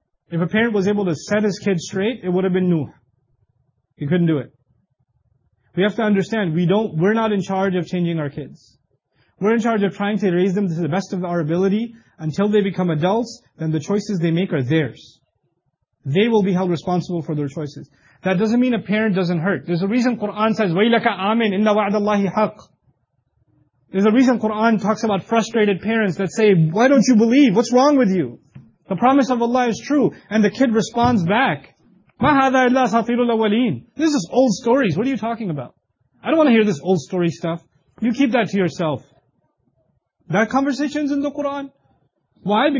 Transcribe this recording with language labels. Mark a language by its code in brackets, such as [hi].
[en] If a parent was able to set his kids straight, it would have been Nuh. He couldn't do it. We have to understand, we're not in charge of changing our kids. We're in charge of trying to raise them to the best of our ability until they become adults, then the choices they make are theirs. They will be held responsible for their choices. That doesn't mean a parent doesn't hurt. There's a reason Quran says, [ar] وَيْلَكَ آمِنْ إِنَّ وَعْدَ اللَّهِ حَقٍّ. [en] There's a reason Quran talks about frustrated parents that say, why don't you believe? What's wrong with you? The promise of Allah is true. And the kid responds back, [ar] مَا هَذَا إِلَّا سَفِيرُ الْأَوَلِينَ. [en] This is old stories. What are you talking about? I don't want to hear this old story stuff. You keep that to yourself. That conversation is in the Quran. Why?